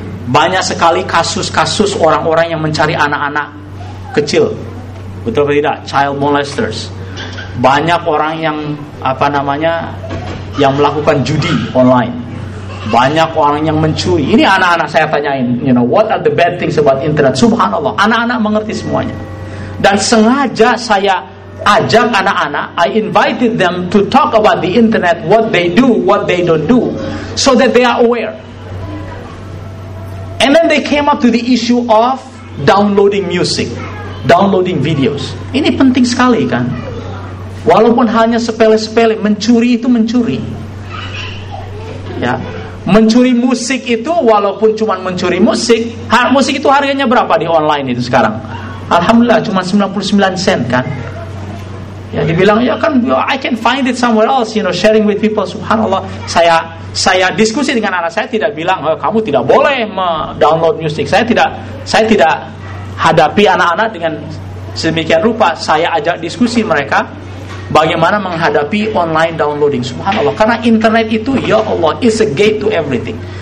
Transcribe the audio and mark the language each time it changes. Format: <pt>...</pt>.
<id>Banyak sekali kasus-kasus orang-orang yang mencari anak-anak kecil, betul atau tidak?</id> <en>Child molesters.</en> <id>Banyak orang yang apa namanya yang melakukan judi online. Banyak orang yang mencuri. Ini anak-anak saya tanyain,</id> <en>you know, what are the bad things about internet?</en> <id>Subhanallah, anak-anak mengerti semuanya. Dan sengaja saya ajak anak-anak,</id> <en>I invited them to talk about the internet, what they do, what they don't do, so that they are aware. And then they came up to the issue of downloading music, downloading videos.</en> <id>Ini penting sekali kan? Walaupun hanya sepele-sepele, mencuri itu mencuri. Ya. Mencuri musik itu walaupun cuma mencuri musik, musik itu harganya berapa di online itu sekarang? Alhamdulillah cuma 99 sen kan? Ya dibilang ya kan,</id> <en>I can find it somewhere else, you know, sharing with people.</en> <id>Subhanallah, saya diskusi dengan anak saya, tidak bilang kamu tidak boleh download music. Saya tidak hadapi anak-anak dengan sedemikian rupa. Saya ajak diskusi mereka bagaimana menghadapi online downloading.</id> <en>Subhanallah,</en> <id>karena internet itu ya</id> <en>Allah is a gate to everything.</en>